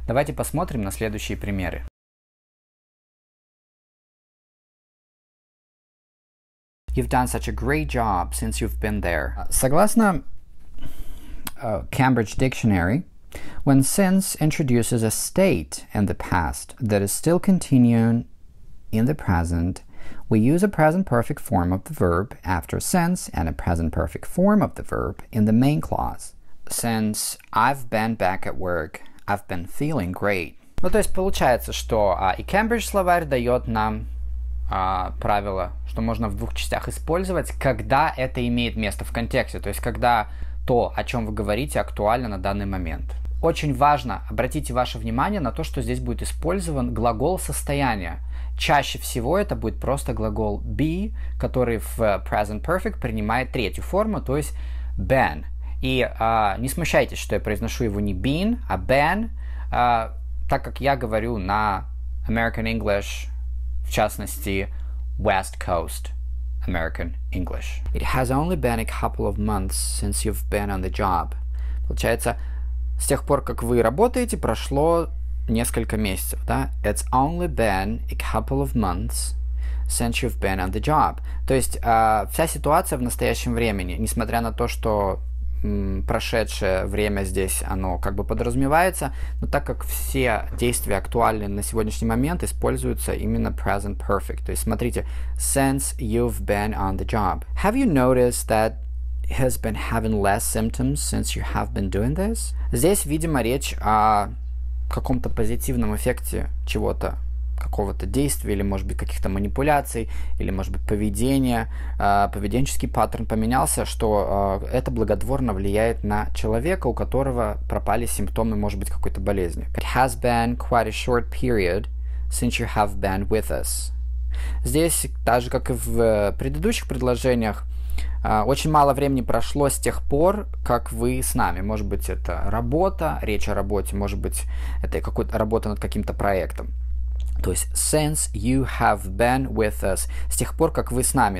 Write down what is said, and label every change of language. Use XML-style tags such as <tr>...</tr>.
<ru>Давайте посмотрим на следующие примеры.</ru> <en>You've done such a great job since you've been there.</en> <ru>Согласно</ru> <en>Cambridge Dictionary, when since introduces a state in the past that is still continuing in the present, we use a present perfect form of the verb after since and a present perfect form of the verb in the main clause. Since I've been back at work, I've been feeling great.</en> <ru>Ну, то есть получается, что и Cambridge словарь дает нам правило, что можно в двух частях использовать, когда это имеет место в контексте, то есть когда то, о чем вы говорите, актуально на данный момент. Очень важно, обратите ваше внимание на то, что здесь будет использован глагол состояния. Чаще всего это будет просто глагол be, который в present perfect принимает третью форму, то есть been. И не смущайтесь, что я произношу его не been, а been, так как я говорю на American English, в частности, West Coast American English.</ru> <en>It has only been a couple of months since you've been on the job.</en> <ru>Получается, с тех пор, как вы работаете, прошло несколько месяцев, да?</ru> <en>It's only been a couple of months since you've been on the job.</en> <ru>То есть, вся ситуация в настоящем времени, несмотря на то, что прошедшее время здесь, оно как бы подразумевается, но так как все действия актуальны на сегодняшний момент, используется именно present perfect. То есть смотрите,</ru> <en>since you've been on the job. Have you noticed that he's been having less symptoms since you have been doing this?</en> <ru>Здесь, видимо, речь о каком-то позитивном эффекте чего-то, какого-то действия, или, может быть, каких-то манипуляций, или, может быть, поведение, поведенческий паттерн поменялся, что это благотворно влияет на человека, у которого пропали симптомы, может быть, какой-то болезни.</ru> <en>It has been quite a short period since you have been with us.</en> <ru>Здесь, так же, как и в предыдущих предложениях, очень мало времени прошло с тех пор, как вы с нами. Может быть, это работа, речь о работе, может быть, это какой-то работа над каким-то проектом. То есть,</ru> <en>since you have been with us,</en> <ru>с тех пор, как вы с нами.</ru>